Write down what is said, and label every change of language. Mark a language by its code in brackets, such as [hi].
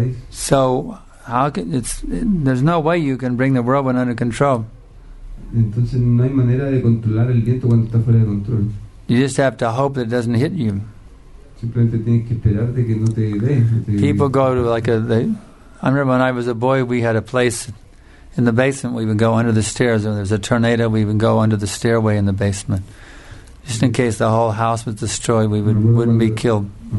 [en] So, how can it's? There's no way you can bring the whirlwind under control. [es] Entonces no hay manera de controlar el viento cuando está fuera de control. [en] You just have to hope that it doesn't hit you. [es] Simplemente tienes que esperar de que no te dé. [en] People go to like a. I remember when I was a boy, we had a place in the basement. We would go under the stairs. When there was a tornado, we would go under the stairway in the basement. Just in case the whole house was destroyed, we wouldn't be killed.